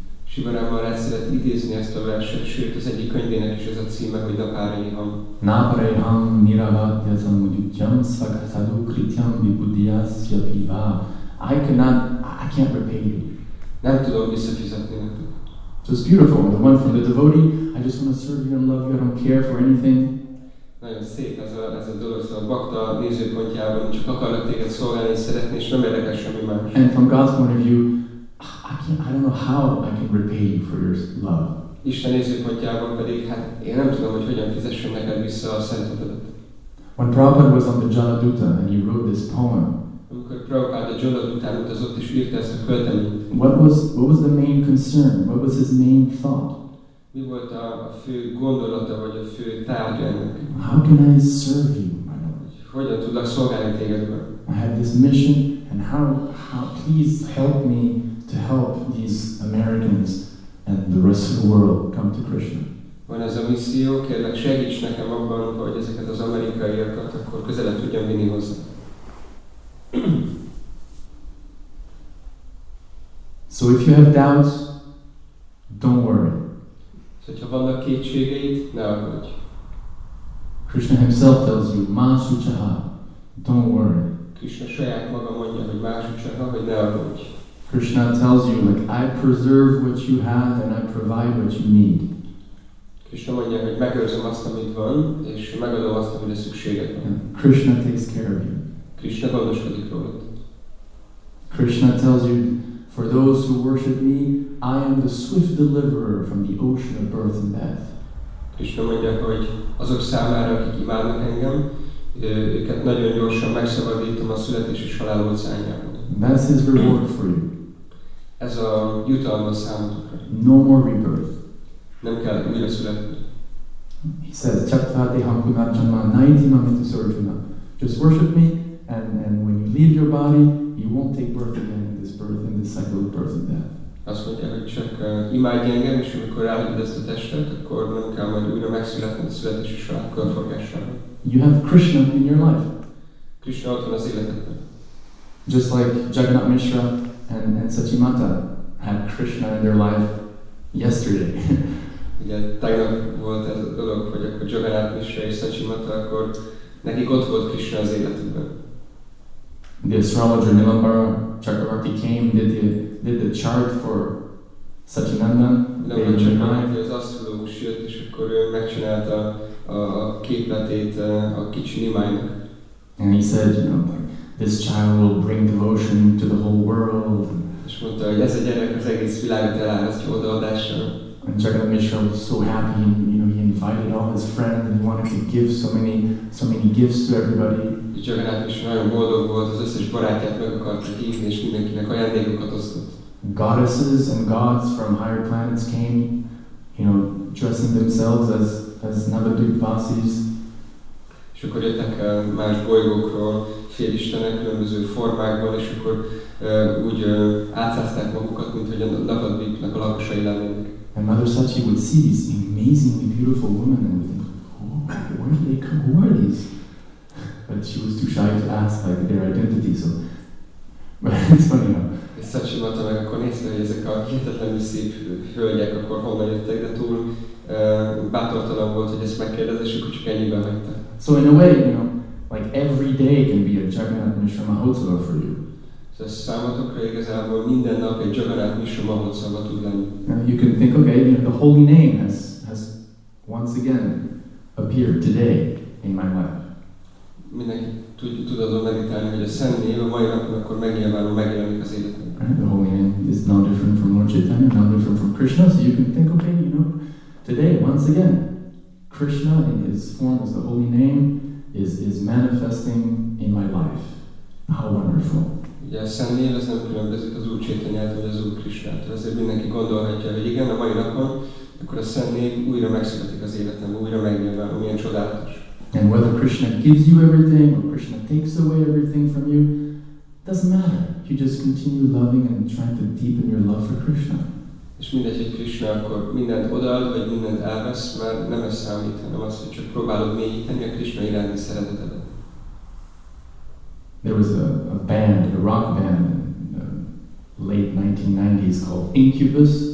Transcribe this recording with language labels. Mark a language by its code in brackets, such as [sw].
[hu] Sivarámmal rá szeret idézni ezt a verset, sőt az egyik könyvének is ez a címe, hogy Nabarayam. [sa] Nabarayam niravatya samudityam svakasadu krityam vibudhyasya piva. [en] I can't repay you. [hu] Nem tudom visszafizetni. [en] So it's beautiful, the one from the devotee, I just want to serve you and love you, I don't care for anything. [hu] Nagyon szép ez a dolog, szóval a bakta nézőpontjában csak akarok téged szolgálni, szeretni, és nem érdekel semmi más. [en] And from God's point of view, I don't know how I can repay you for your love. [hu] Isten nézőpontjában pedig, hát én nem tudom, hogy hogyan fizessem neked vissza a szeretetet. [en] When Prabhupada was on the Jaladuta and he wrote this poem, [hu] amikor Prabhupada Jaladután utazott és írta ezt a költeményt, [en] what was the main concern? What was his main thought? [hu] Mi volt a fő gondolata, vagy a fő tárgya ennek? [en] How can I serve you, my Lord? [hu] Hogyan tudlak szolgálni téged? [en] I have this mission, and how please help me to help these Americans and the rest of the world come to Krishna. [hu] Van ez a misszió, kérlek segíts nekem abban, hogy ezeket az amerikaiakat akkor közelebb tudjam vinni hozzá. [en] So if you have doubts, don't worry. [hu] Hogyha vannak kétségeid, ne aggódj. [en] Krishna himself tells you, másucsaha, don't worry. [hu] Krishna saját maga mondja, hogy másucsaha, hogy ne aggódj. [en] Krishna tells you, like, I preserve what you have and I provide what you need. [hu] Krishna mondja, hogy megőrzöm azt, amit van, és megadom azt, amire szükséged van. [en] Krishna takes care of you. [hu] Krishna gondoskodik rólad. [en] Krishna tells you, for those who worship me, I am the swift deliverer from the ocean of birth and death. [hu] Krishna mondja, hogy azok számára, akik imádnak engem, őket nagyon gyorsan megszabadítom a születés és halál óceánjából. [en] That's his reward for you. [hu] Ez a jutalma számotokra. [en] No more rebirth. [hu] Nem kell újra születni. [sa] He says, Chattvati ham punarjanma naitimam itu sarjuna. [en] Just worship me, and when you leave your body, you won't take birth again in this birth, in this cycle of birth and death. [hu] Azt mondja, hogy csak imádj engem, és amikor állítod ezt a testet, akkor nem kell majd újra megszületni a születési sorát körforgásában. [en] You have Krishna in your life. [hu] Krishna ott van az életedben. [en] Just like Jagannath Mishra and Sachimata had Krishna in their life yesterday. [hu] Ugye tegnap volt ez a dolog, hogy akkor Jagannath Mishra és Sachimata, akkor nekik ott volt Krishna az életedben. [en] The astrologer Nilambara Chakravarti came, did the chart for Sachinandan. [hu] Nilambara Chakravarti az asztrológus jött, és akkor ő megcsinálta a képletét a kicsi Nimájnak. [en] And he said, you know, like, this child will bring devotion to the whole world. [hu] És mondta, hogy ez a gyerek az egész világot elárasztja odaadással. [en] And Jagannath Mishra was so happy, and, you know, he invited all his friends and he wanted to give so many gifts to everybody. [hu] Jagannath Mishra nagyon boldog volt, az összes barátját meg akarta hívni, és mindenkinek ajándékokat osztott. [en] Goddesses and gods from higher planets came, you know, dressing themselves as Navadvip Vasis. [hu] És akkor jöttek más bolygókról, félistenek különböző formákban, és akkor úgy átszázták magukat, mint hogy a Navadvipnek a lakosai lennének. [en] And Mother Sachi would see these amazingly beautiful women and would think, who are these? But she was too shy to ask like their identity, so... But it's funny how... [hu] És Sachi mondta meg akkor nézve, hogy ezek a hihetetlenül szép hölgyek akkor honnan jöttek, de túl bátortalan volt, hogy ezt megkérdezés, akkor csak ennyiben megte. [en] So in a way, you know, like every day can be a Jagannath Mishra Mahotsava for you. [hu] Tehát számotokra igazából minden nap egy Jagannath Mishra Mahotsava tud lenni. [en] You can think, okay, you know, the holy name has once again appeared today in my life. [hu] Mindenki tud azon meditálni, hogy a szent név a mai napon akkor megnyilvánul, megjelenik az életben. [en] The holy name is no different from Lord Chaitanya, no different from Krishna, so you can think, okay, you know, today, once again, Krishna in his form as the holy name is manifesting in my life. How wonderful. [hu] Ugye a szent név az nem különbözik az Úr Csétanyától, az Úr Krisnától. Ezért mindenki gondolhatja, hogy igen, a mai napon, akkor a szent név újra megszületik az életemben, újra megnyilván, milyen csodálatos. [en] And whether Krishna gives you everything, or Krishna takes away everything from you, doesn't matter. You just continue loving and trying to deepen your love for Krishna. [hu] És mindegy, hogy Krishna akkor mindent odaad, vagy mindent elvesz, mert nem ez számít, hanem az, hogy csak próbálod mélyíteni a Krishna iránti szeretetedet. [en] There was a band, a rock band, late 1990s called Incubus.